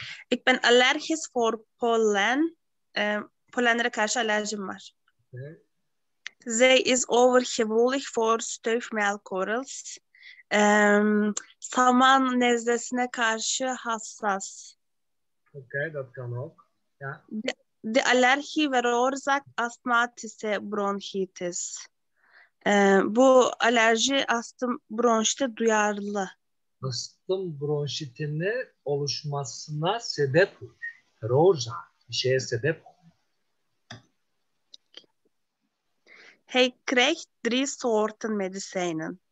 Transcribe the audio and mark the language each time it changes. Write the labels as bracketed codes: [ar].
[nl] Ik ben allergisch voor pollen. [tr] Pollenlere karşı alerjim var. [nl] Zij is overgevoelig voor stuifmeelkorrels. [tr] Saman nezlesine karşı hassas. [nl] Okay, dat kan ook. Ja. De allergie veroorzaakt astmatische bronchitis. [tr] Bu alerji astım bronşite duyarlı. Astım bronşitini oluşmasına sebep olur. Veroorzaakt bir şeye sebep olur. [nl] Hij krijgt drie soorten medicijnen.